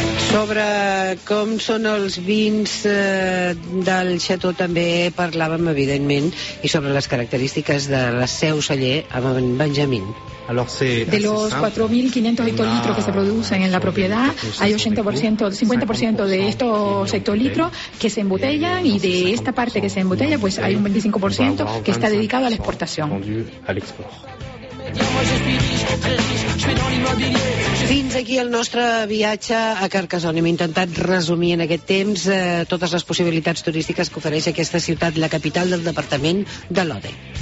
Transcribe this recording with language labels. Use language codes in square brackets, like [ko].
[ca] Sobre com són els vins del Chateau també parlàvem, evidentment, i sobre les característiques de la seu celler amb en Benjamín. [es] De los 4.500 hectolitros que se producen en la propiedad, hay 50% de estos hectolitros que se embotellan, y de esta parte que se embotella, pues hay un 25% que está dedicado a la exportación. [ca] Fins aquí el nostre viatge a Carcassonne. Hem intentat resumir en aquest temps totes les possibilitats turístiques que ofereix aquesta ciutat, la capital del departament de l'Aude.